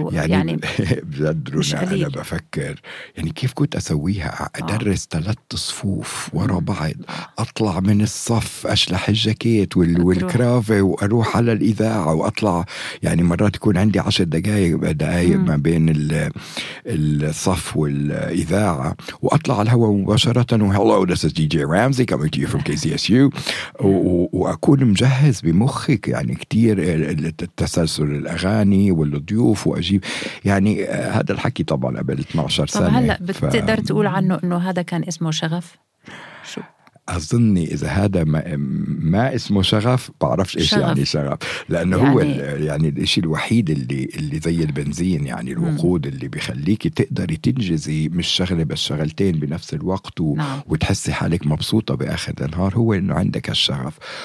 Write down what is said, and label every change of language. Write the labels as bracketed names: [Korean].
[Arabic] يعني بجد رونا أنا بفكر يعني كيف كنت أسويها، أدرس ثلاث صفوف وراء بعض، أطلع من الصف أشلح الجاكيت والكرافة وأروح على الإذاعة، وأطلع يعني مرات يكون عندي 10 دقائق ما بين الصف والإذاعة، وأطلع على الهواء مباشرة. [English] Hello, this is DJ Ramsey coming to you from KCSU. [Arabic] وأكون مجهز بمخك يعني كتير التسلسل الأغاني والضيوف، وأجيب يعني هذا الحكي طبعا قبل 12 سنة. هلأ بتقدر تقول عنه أنه هذا كان اسمه شغف؟ أظني إذا هذا ما اسمه شغف، بعرفش إيش يعني شغف، لأنه يعني هو يعني الإشي الوحيد اللي زي البنزين يعني الوقود اللي بيخليك تقدري تنجزي مش شغلة بس شغلتين بنفس الوقت وتحسي حالك مبسوطة بآخر النهار، هو إنه عندك الشغف.